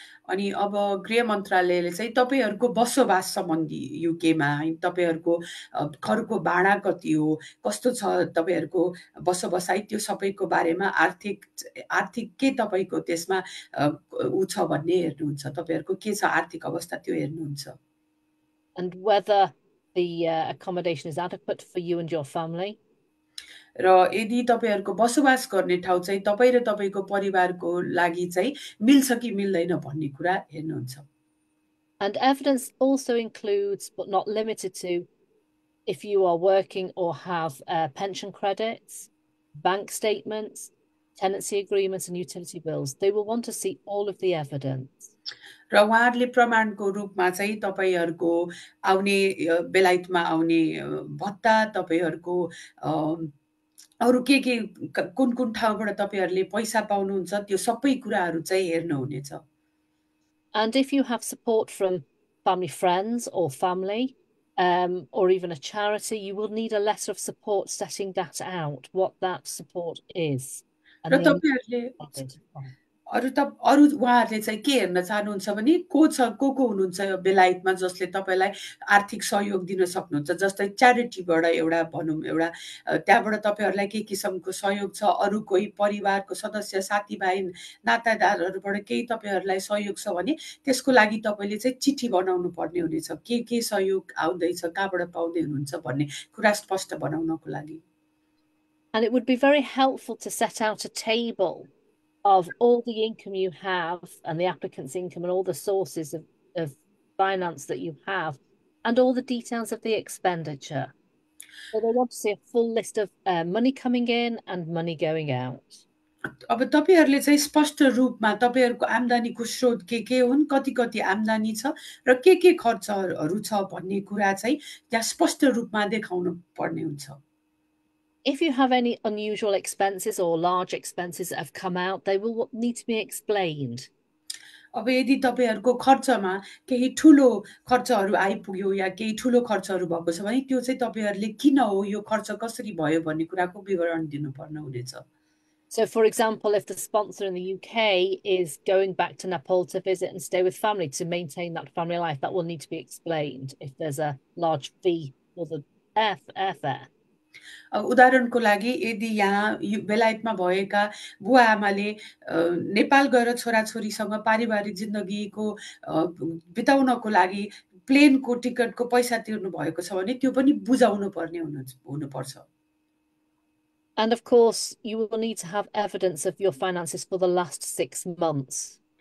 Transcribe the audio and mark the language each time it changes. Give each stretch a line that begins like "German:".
Nepali: अनि अब गृह मन्त्रालयले चाहिँ तपाईँहरूको बसोबास सम्बन्धी युकेमा तपाईँहरूको घरको भाडा कति हो, कस्तो छ तपाईँहरूको बसोबसाइ, त्यो सबैको बारेमा आर्थिक के तपाईँको त्यसमा ऊ छ भन्ने हेर्नुहुन्छ, तपाईँहरूको के छ आर्थिक अवस्था त्यो हेर्नुहुन्छ।
English: And whether the accommodation is adequate for you and your family.
Nepali: र यदि तपाईँहरूको बसोबास गर्ने ठाउँ चाहिँ तपाईँ र तपाईँको परिवारको लागि चाहिँ मिल्छ कि मिल्दैन भन्ने कुरा हेर्नुहुन्छ।
English: And evidence also includes, but not limited to, if you are working or have pension credits, bank statements, tenancy agreements, and utility bills. They will want to see all of the evidence.
Nepali: र उहाँहरूले प्रमाणको रूपमा चाहिँ तपाईँहरूको आउने बेलायतमा आउने भत्ता, तपाईँहरूको अरू के कुन कुन ठाउँबाट तपाईँहरूले पैसा पाउनुहुन्छ त्यो सबै कुराहरू चाहिँ हेर्नुहुनेछ।
English: And if you have support from family, friends, or family, or even a charity, you will need a letter of support setting that out, what that support is,
Nepali: र
English: and the amount of it.
Nepali: अरू त अरू उहाँहरूले चाहिँ के हेर्न चाहनुहुन्छ भने को छ, को को हुनुहुन्छ बेलायतमा जसले तपाईँलाई आर्थिक सहयोग दिन सक्नुहुन्छ, जस्तै च्यारिटीबाट एउटा भनौँ एउटा त्यहाँबाट तपाईँहरूलाई के किसिमको सहयोग छ, अरू कोही परिवारको सदस्य साथीभाइ नातादारहरूबाट केही तपाईँहरूलाई सहयोग छ भने त्यसको लागि तपाईँले चाहिँ चिठी बनाउनु पर्ने हुनेछ, के सहयोग आउँदैछ, कहाँबाट पाउँदै हुनुहुन्छ भन्ने कुरा स्पष्ट बनाउनको लागि।
English: And it would be very helpful to set out a table of all the income you have and the applicant's income and all the sources of finance that you have and all the details of the expenditure. So they want to see a full list of money coming in and money going out.
Nepali: अब तपाईँहरूले चाहिँ स्पष्ट रूपमा तपाईँहरूको आम्दानीको स्रोत के हुन्, कति कति आम्दानी छ र के खर्चहरू छ भन्ने कुरा चाहिँ त्यहाँ स्पष्ट रूपमा देखाउनु पर्ने हुन्छ।
English: If you have any unusual expenses or large expenses that have come out, they will need to be explained.
Nepali: अब यदि तपाईँहरूको खर्चमा केही ठुलो खर्चहरू आइपुग्यो या केही ठुलो खर्चहरू भएको छ भने त्यो चाहिँ तपाईँहरूले किन हो, यो खर्च कसरी भयो भन्ने कुराको विवरण दिनुपर्ने हुनेछ।
English: So, for example, if the sponsor in the UK is going back to Nepal to visit and stay with family to maintain that family life, that will need to be explained if there's a large fee or the airfare.
Nepali: उदाहरणको लागि यदि यहाँ बेलायतमा भएका बुवा आमाले नेपाल गएर छोराछोरीसँग पारिवारिक जिन्दगीको बिताउनको लागि प्लेनको टिकटको पैसा तिर्नु भएको छ भने त्यो पनि बुझाउनु पर्ने हुनुपर्छ।
English: And of course, you will need to have evidence of your finances for the last 6 months.